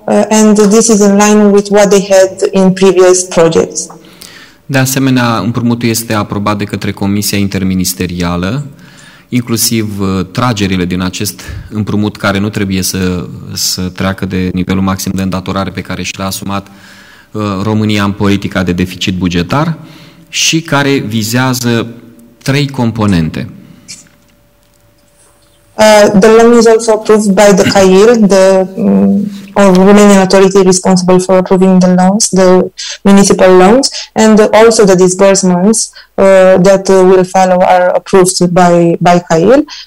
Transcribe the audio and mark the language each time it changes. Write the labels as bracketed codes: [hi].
[en] And this is in line with what they had in previous projects. [ro] De asemenea, împrumutul este aprobat de către Comisia Interministerială, inclusiv tragerile din acest împrumut care nu trebuie să treacă de nivelul maxim de îndatorare pe care și l-a asumat România în politica de deficit bugetar și care vizează trei componente. [en] The loan is also approved by the CAIR, the Romanian authority responsible for approving the loans, the municipal loans, and also the disbursements that will follow are approved by CAIR.